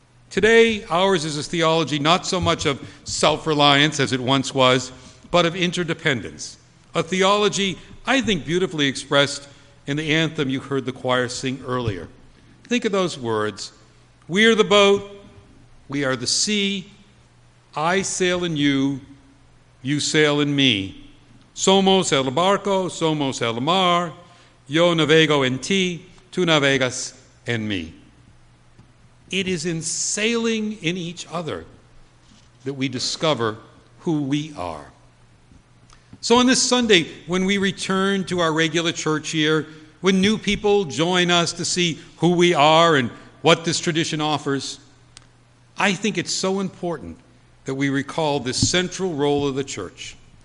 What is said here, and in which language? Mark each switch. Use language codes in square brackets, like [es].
[en] Today, ours is a theology not so much of self-reliance as it once was, but of interdependence, a theology I think beautifully expressed in the anthem you heard the choir sing earlier. Think of those words. We are the boat, we are the sea, I sail in you, you sail in me. [es] Somos el barco, somos el mar, yo navego en ti, tú navegas en mí. [en] It is in sailing in each other that we discover who we are. So on this Sunday, when we return to our regular church year, when new people join us to see who we are and what this tradition offers, I think it's so important that we recall this central role of the church.